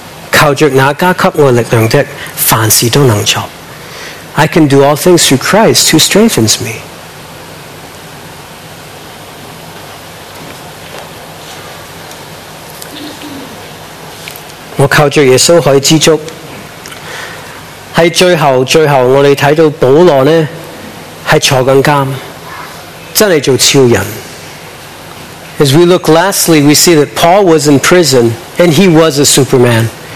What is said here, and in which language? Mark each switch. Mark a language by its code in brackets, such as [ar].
[zh] 靠着那加给我力量的，凡事都能做。 [en] I can do all things through Christ who strengthens me. [zh] 我靠着耶稣可以知足。在最后我们看到保罗呢是坐着监，真是做超人。 [en] As we look lastly, we see that Paul was in prison and he was a superman.